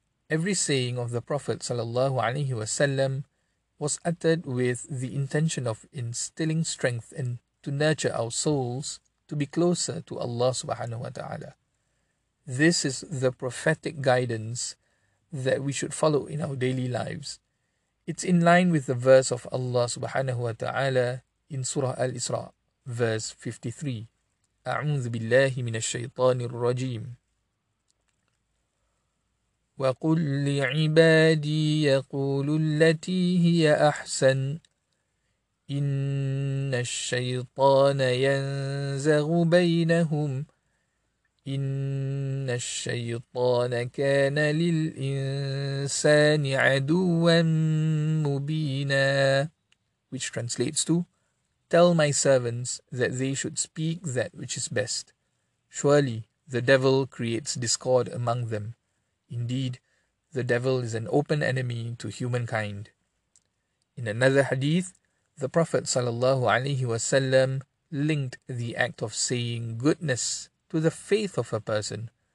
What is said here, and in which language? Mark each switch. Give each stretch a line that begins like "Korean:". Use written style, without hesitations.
English: Every saying of the Prophet sallallahu alaihi wasallam was uttered with the intention of instilling strength and to nurture our souls to be closer to Allah subhanahu wa ta'ala. This is the prophetic guidance that we should follow in our daily lives. It's in line with the verse of Allah subhanahu wa ta'ala in Surah Al-Isra, verse 53.
Arabic: أَعُوذُ بِاللَّهِ مِنَ الشَّيْطَانِ الرَّجِيمِ وَقُلْ لِعِبَادِي يَقُولُوا الَّتِي هِيَ أَحْسَنُ إِنَّ الشَّيْطَانَ يَنْزَغُ بَيْنَهُمْ إن الشيطان كان للإنسان عدوا مبينا.
English: Which translates to, "Tell my servants that they should speak that which is best. Surely the devil creates discord among them. Indeed, the devil is an open enemy to humankind." In another hadith, the Prophet sallallahu alaihi wasallam linked the act of saying goodness to the faith of a person.